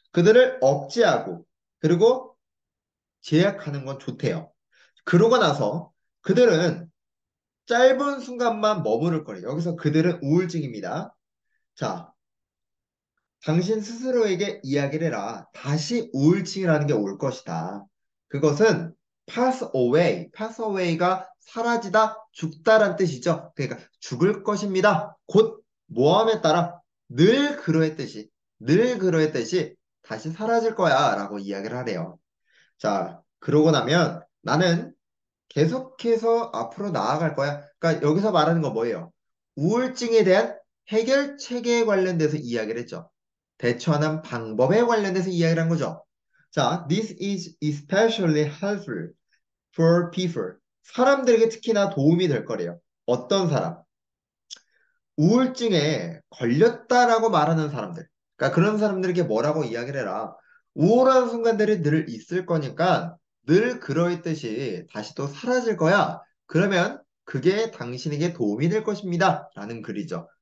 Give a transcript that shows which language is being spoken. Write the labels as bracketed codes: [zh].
[ko] 그들을 억제하고, 그리고 제약하는 건 좋대요. 그러고 나서 그들은 짧은 순간만 머무를 거예요. 여기서 그들은 우울증입니다. 자, 당신 스스로에게 이야기를 해라. 다시 우울증이라는 게올 것이다. 그것은 [en] pass away. [ko] pass away가 사라지다, 죽다란 뜻이죠. 그러니까 죽을 것입니다. 곧 모함에 따라 늘 그러했듯이, 늘 그러했듯이 다시 사라질 거야 라고 이야기를 하네요. 자, 그러고 나면 나는 계속해서 앞으로 나아갈 거야. 그러니까 여기서 말하는 건 뭐예요? 우울증에 대한 해결책에 관련돼서 이야기를 했죠. 대처하는 방법에 관련돼서 이야기를 한 거죠. [en] 자, this is especially helpful for people. [ko] 사람들에게 특히나 도움이 될 거래요. 어떤 사람? 우울증에 걸렸다라고 말하는 사람들. 그러니까 그런 사람들에게 뭐라고 이야기를 해라. 우울한 순간들이 늘 있을 거니까 늘 그러했듯이 다시 또 사라질 거야. 그러면 그게 당신에게 도움이 될 것입니다. 라는 글이죠.